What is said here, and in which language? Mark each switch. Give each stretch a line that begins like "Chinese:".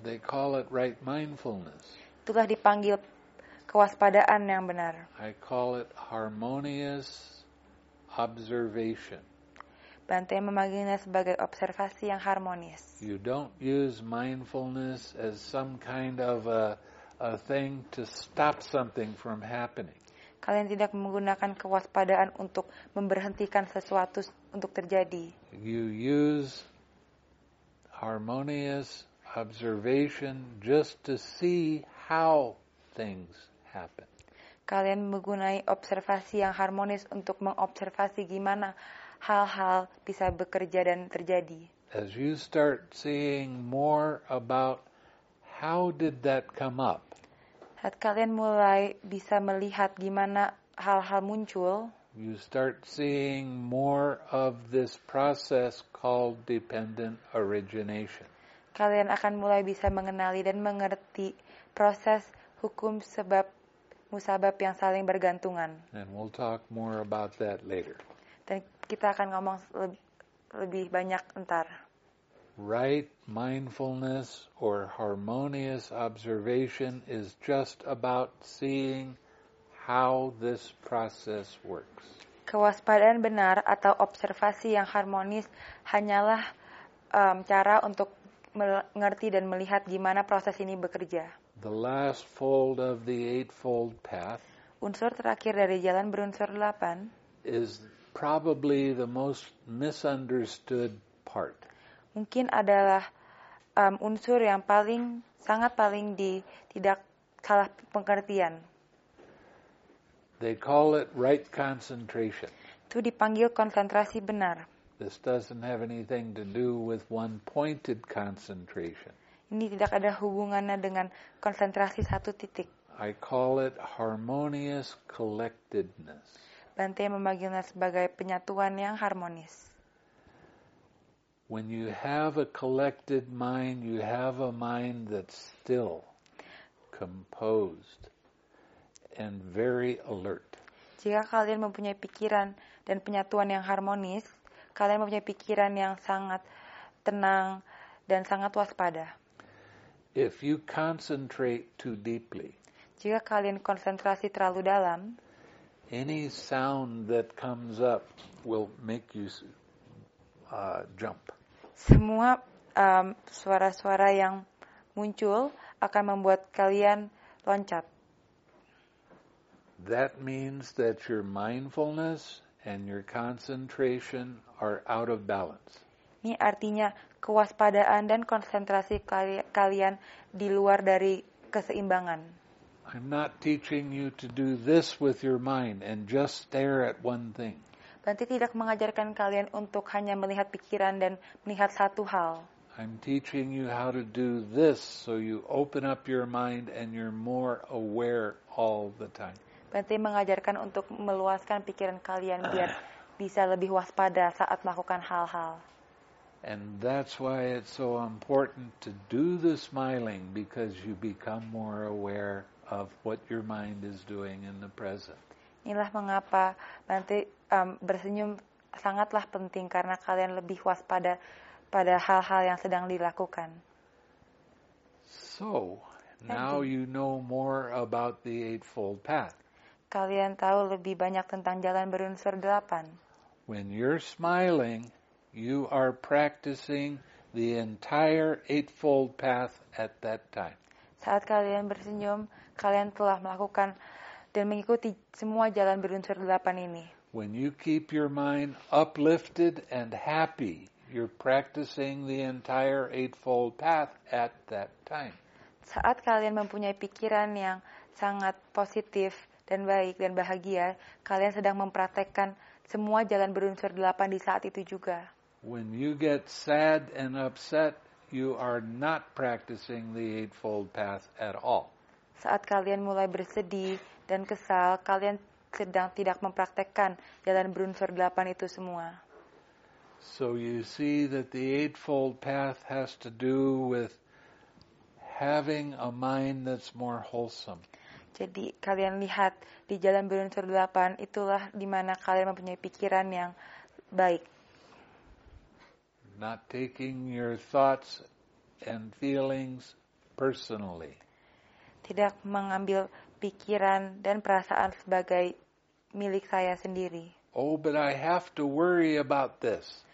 English: They call it right mindfulness.
Indonesian: Itulah dipanggil kewaspadaan yang benar.
English: I call it harmonious observation.
Indonesian: Bante memanggilnya sebagai observasi yang harmonis.
English: You don't use mindfulness as some kind of a thing to stop something from happening.
Indonesian: Kalian tidak menggunakan kewaspadaan untuk memberhentikan sesuatu untuk terjadi.
English: You use harmonious observation just to see how things happen.
Indonesian: Kalian menggunakan observasi yang harmonis untuk mengobservasi gimana hal-hal bisa bekerja dan terjadi.
English: As you start seeing more about how did that come up,
Indonesian: saat kalian mulai bisa melihat gimana hal-hal muncul,
English: you start seeing more of this process called dependent origination.
Indonesian: Kalian akan mulai bisa mengenali dan mengerti proses hukum sebab musabab yang saling bergantungan.
English: And we'll talk more about that later.
Indonesian: Kita akan ngomong lebih banyak ntar.
English: right mindfulness or harmonious observation is just about seeing how this process works.
Indonesian: Kewaspadaan benar atau observasi yang harmonis hanyalah cara untuk mengerti dan melihat gimana proses ini bekerja.
English: The last fold of the eightfold path.
Indonesian: Unsur terakhir dari jalan berunsur 8
English: is probably the most misunderstood part.
Indonesian: Mungkin adalah unsur yang paling sangat paling di tidak salah pengertian.
English: They call it right concentration.
Indonesian: Itu dipanggil konsentrasi benar.
English: This doesn't have anything to do with one-pointed concentration.
Indonesian: Ini tidak ada hubungannya dengan konsentrasi satu titik.
English: I call it harmonious collectedness.
Indonesian: Bante memanggilnya sebagai penyatuan yang harmonis.
English: When you have a collected mind, you have a mind that's still composed and very alert.
Indonesian: Jika kalian mempunyai pikiran dan penyatuan yang harmonis, kalian mempunyai pikiran yang sangat tenang dan sangat waspada.
English: If you concentrate too deeply,
Indonesian: jika kalian konsentrasi terlalu dalam,
English: any sound that comes up will make you jump.
Indonesian: Semua suara-suara yang muncul akan membuat kalian loncat.
English: That means that your mindfulness and your concentration are out of balance.
Indonesian: Ini artinya kewaspadaan dan konsentrasi kalian di luar dari keseimbangan.
English: I'm not teaching you to do this with your mind and just stare at one thing.
Indonesian: Nanti tidak mengajarkan kalian untuk hanya melihat pikiran dan melihat satu hal.
English: I'm teaching you how to do this so you open up your mind and you're more aware all the time.
Indonesian: Berarti mengajarkan untuk meluaskan pikiran kalian biar bisa lebih waspada saat melakukan hal-hal.
English: And that's why it's so important to do the smiling, because you become more aware of what your mind is doing in the present.
Indonesian: Inilah mengapa nanti bersenyum sangatlah penting, karena kalian lebih waspada pada hal-hal yang sedang dilakukan.
English: So, now you know more about the Eightfold Path.
Indonesian: Kalian tahu lebih banyak tentang jalan berunsur 8.
English: When you're smiling, you are practicing the entire Eightfold Path at that time.
Indonesian: Saat kalian bersenyum, kalian telah melakukan dan mengikuti semua jalan berunsur 8 ini.
English: When you keep your mind uplifted and happy, you're practicing the entire Eightfold Path at that time.
Indonesian: Saat kalian mempunyai pikiran yang sangat positif dan baik dan bahagia, kalian sedang mempraktekkan semua jalan berunsur 8 di saat itu juga.
English: When you get sad and upset, you are not practicing the Eightfold Path at all.
Indonesian: Saat kalian mulai bersedih dan kesal, kalian sedang tidak mempraktekkan jalan berunsur 8 itu semua.
English: So you see that the Eightfold Path has to do with having a mind that's more wholesome.
Indonesian: Jadi kalian lihat di jalan berunsur 8 itulah di mana kalian mempunyai pikiran yang baik.
English: Not taking your thoughts and feelings personally.
Indonesian: Tidak mengambil pikiran dan perasaan sebagai milik saya sendiri.
English: Oh, but I have to worry about this.